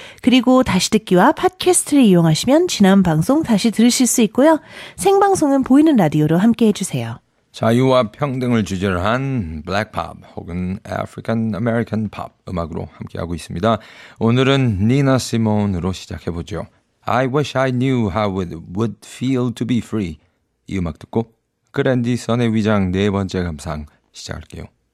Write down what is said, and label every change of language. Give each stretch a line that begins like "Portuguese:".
Korean: 그리고 다시 듣기와 팟캐스트를 이용하시면 지난 방송 다시 들으실 수 있고요. 생방송은 보이는 라디오로 함께해 주세요. 자유와 평등을 주제로 한 블랙 팝 혹은 아프리칸 아메리칸 팝 음악으로 함께하고 있습니다. 오늘은 니나 시몬으로 시작해보죠.
English: I wish I knew how it would feel to be free.
Korean: 이 음악 듣고 그랜디 선의 위장 네 번째 감상 시작할게요.